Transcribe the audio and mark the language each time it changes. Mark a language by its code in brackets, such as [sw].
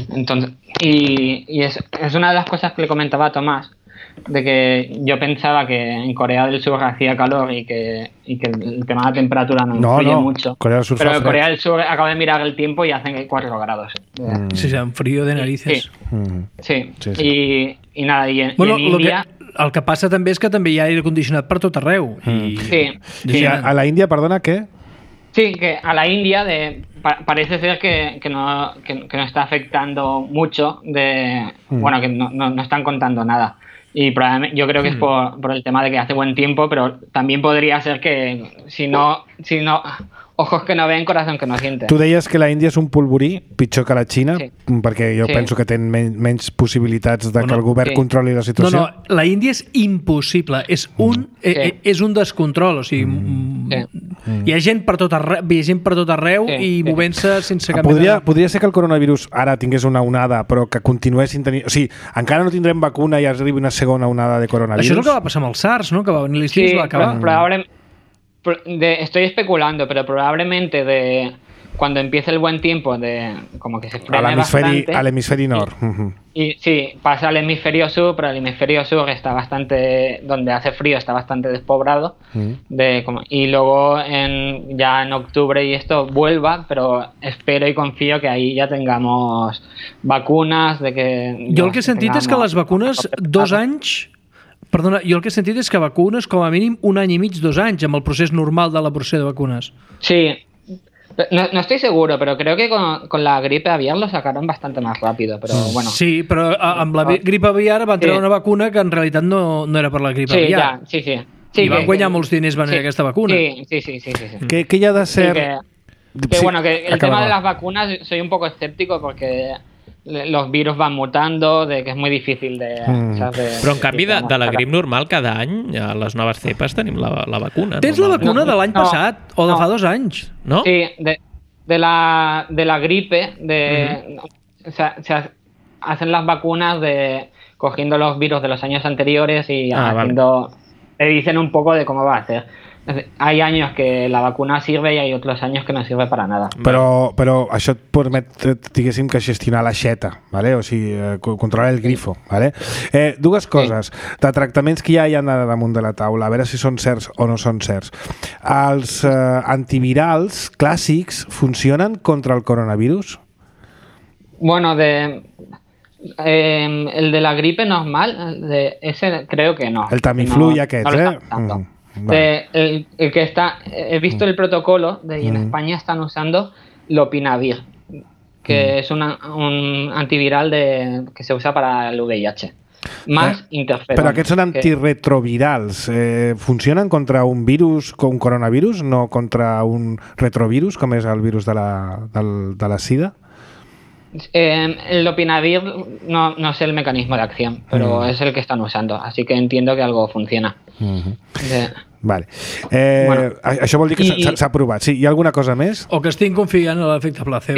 [es] Entonces, y es una de las cosas que le comentaba a Tomás, de que yo pensaba que en Corea del Sur hacía calor y que el tema de la temperatura no influye mucho. Corea del Sur, pero en Corea del Sur acabo de mirar el tiempo y hacen 4 grados. Sí, se han frío de narices. Sí. Sí. Y nada, y en bueno, India... [ca] El que passa també és que també hi ha aire condicionat per tot arreu. Sí. A la Índia, perdona, què? [es] Sí, que a la Índia parece ser que no está afectando mucho bueno, que no están contando nada. Y probablemente, yo creo que es por el tema de que hace buen tiempo, pero también podría ser que si no, ojos que no ven, corazón que no siente. [ca] Tú deies que la Índia es un polvorí, pitjor que la Xina, perquè jo penso que tenen menys possibilitats de que el govern controli la situació. No, la Índia és impossible, és un descontrol, o sigui, hi ha gent per tot arreu, i movent-se sense cap... Podria ser que el coronavirus ara tingués una onada, però que continuessin tenint... O sigui, encara no tindrem vacuna i arribi una segona onada de coronavirus. Això és el que va passar amb el SARS, no? Que va venir l'estiu i va acabar. [es] Estoy especulando, pero probablemente de cuando empiece el buen tiempo, de como que se frene bastante al hemisferio norte. Y sí, pasa al hemisferio sur, pero el hemisferio sur está bastante, donde hace frío, está bastante despoblado. Y luego en octubre y esto vuelva, pero espero y confío que ahí ya tengamos vacunas, de que yo lo que he sentido es que las vacunas 2 años. [ca] Perdona, jo el que he sentit és que vacunes com a mínim 1 any i mig, 2 anys amb el procés normal de l'elaboració de vacunes. [es] Sí, no estoy seguro, pero creo que con la gripe aviar lo sacaron bastante más rápido, pero bueno. [ca] Sí, pero amb la gripe aviar van treure una vacuna que en realitat no era per la gripe aviar. Sí, ja, sí, sí, sí. I van guanyar molts diners venir aquesta vacuna. Sí. Què hi ha de ser? Tema de les vacunes, [es] soy un poco escéptico porque... Los virus van mutando, que es muy difícil de... [ca] Però en canvi, de la grip normal, cada any, a les noves cepes, tenim la vacuna. Tens normal. La vacuna de l'any passat, o de fa 2 anys, no? [es] Sí, de la gripe. O sea, hacen las vacunas cogiendo los virus de los años anteriores y haciendo... Te dicen un poco de cómo va a ser. Hay años que la vacuna sirve y hay otros años que no sirve para nada. [ca] Pero això et permet, diguéssim, que gestionar l'aixeta, ¿vale? O sigui, controlar el grifo. ¿Vale? Dues coses. Sí. De tractaments que ja hi ha damunt de la taula, a veure si són certs o no són certs. Els antivirals clàssics funcionen contra el coronavirus? [es] Bueno, de... el de la gripe normal, de ese creo que no. [ca] El Tamiflu no, aquest, no [es] De, el que está, he visto el protocolo de, y en España están usando lopinavir, que es un antiviral de, que se usa para el VIH. Más interferón. [ca] Pero aquests son antirretrovirals. [es] ¿Funcionan contra un virus, con un coronavirus, no contra un retrovirus, como es el virus de la sida? El lopinavir no sé el mecanismo de acción, pero es el que están usando, así que entiendo que algo funciona. Vale. [ca] Bueno, això vol dir que s'ha provat. Sí, hi ha alguna cosa més? O que estic confiant en l'efecte placebo.